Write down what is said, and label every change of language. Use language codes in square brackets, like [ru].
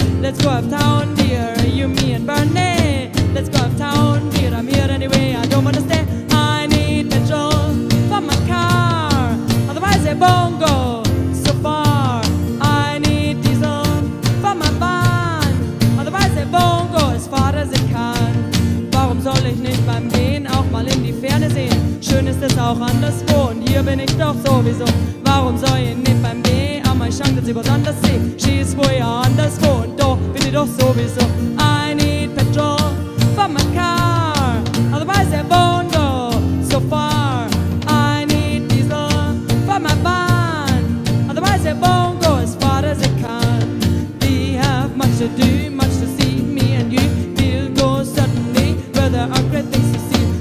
[en] Let's go uptown, dear, you, me, and Bernie. Let's go uptown, dear, I'm here anyway, I don't wanna stay. I need petrol for my car, otherwise it won't go so far. I need diesel for my van, otherwise it won't go as far as it can. [de] Warum soll ich nicht beim Gehen auch mal in die Ferne sehen? Schön ist es auch anderswo und hier bin ich doch sowieso. Warum soll ich nicht beim Gehen auch mal schauen, dass ich was anders seh? Schieß wo ich anderswo und doch. Doch sowieso. [en] I need petrol for my car, otherwise it won't go so far. I need diesel for my van, otherwise it won't go as far as it can. We have much to do, much to see, me and you. We'll go suddenly where there are great things to see.